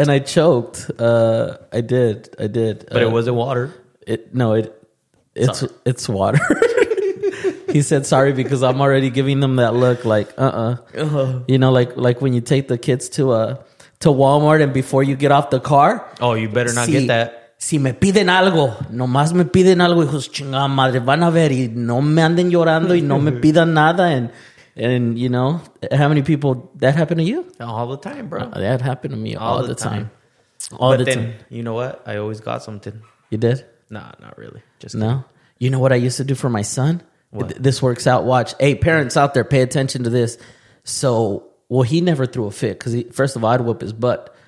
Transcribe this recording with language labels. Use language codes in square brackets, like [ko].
[en] And I choked. I did. But it wasn't water. It's water. He said sorry because I'm already giving them that look like, You know, like when you take the kids to Walmart and before you get off the car. Oh, you better not get that. [es] Si me piden algo, nomás me piden algo, hijos, chingada madre, van a ver y no me anden llorando y no me pidan nada. [en] And you know, how many people, that happened to you? All the time, bro. That happened to me all the time. But then, you know what? I always got something. You did? Nah, not really. Just no? Kidding. You know what I used to do for my son? What? This works out, watch. Hey, parents out there, pay attention to this. So, well, he never threw a fit because first of all, I'd whoop his butt.